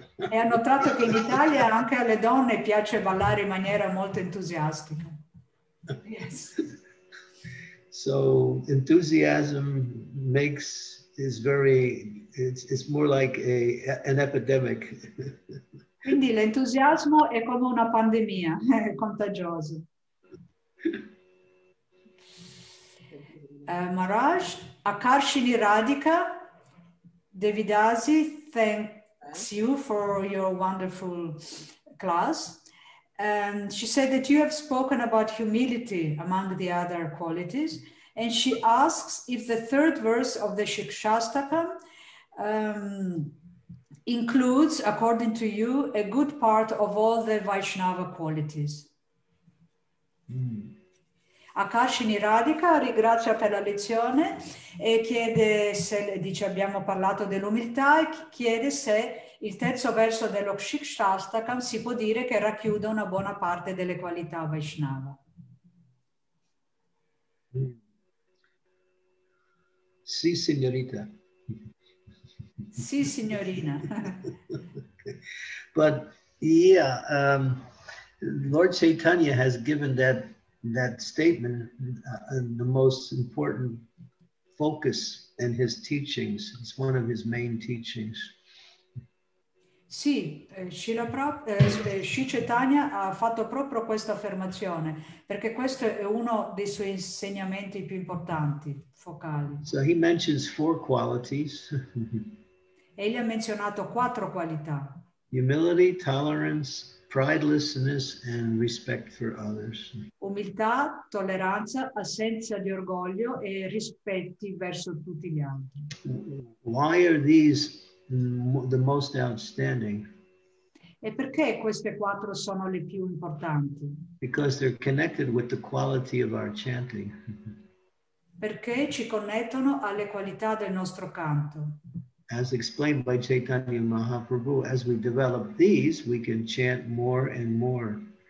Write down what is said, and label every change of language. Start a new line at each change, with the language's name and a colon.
Italian: E ha notato che in Italia anche alle donne piace ballare in maniera molto entusiastica.
English: Yes. So enthusiasm makes is very it's more like an epidemic.
Italian: Quindi l'entusiasmo è come una pandemia contagiosa.
English: Maharaj, Akarshini Radhika, Devidasi, thanks you for your wonderful class. And she said that you have spoken about humility among the other qualities. And she asks if the third verse of the Shikshastaka includes, according to you, a good part of all the Vaishnava qualities.
Italian: Akarshini Radhika ringrazia per la lezione e chiede se, dice abbiamo parlato dell'umiltà, e chiede se il terzo verso dello Shikshastakam si può dire che racchiude una buona parte delle qualità Vaishnava. Sì, signorita. Sì, signorina.
English: But, yeah, Lord Chaitanya has given that statement the most important focus in his teachings. It's one of his main teachings.
Italian: Sì, Sri Chaitanya ha fatto proprio questa affermazione, perché questo è uno dei suoi insegnamenti più importanti, focali.
English: So he mentions four qualities.
Italian: Egli ha menzionato quattro qualità.
English: Humility, tolerance, pridelessness and respect for others.
Italian: Umiltà, tolleranza, assenza di orgoglio e rispetti verso tutti gli altri.
English: Why are these the most outstanding?
Italian: E perché queste quattro sono le più importanti?
English: Because they're connected with the quality of our chanting.
Italian: Perché ci connettono alle qualità del nostro canto.
English: As explained by Chaitanya Mahaprabhu, as we develop these, we can chant more and more.